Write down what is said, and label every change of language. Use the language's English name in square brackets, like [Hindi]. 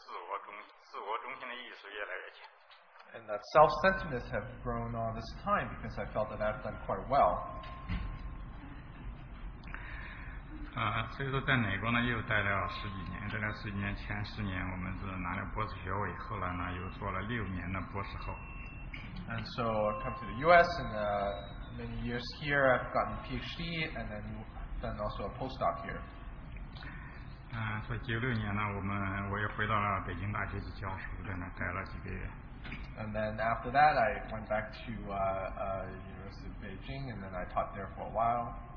[Chinese] 说这一路的幸运呢，一直是自己感觉到就是自我感觉良好，觉得自己很了不起，觉得一直自我中心的意识越来越强。 [English] And that self-centeredness have grown all this time because I felt that I've done quite well. [Chinese] 所以说在美国呢又待了十几年，这段时间前10年我们是拿了博士学位，后来呢又做了6年的博士后。 [English] And so I come to the U.S. and many years here I've gotten PhD and then also a postdoc here. [Chinese] 所以96年呢，我们我又回到了北京大学去教书，在那待了几个月。 [English] And then after that I went back to University of Beijing and then I taught there for a while.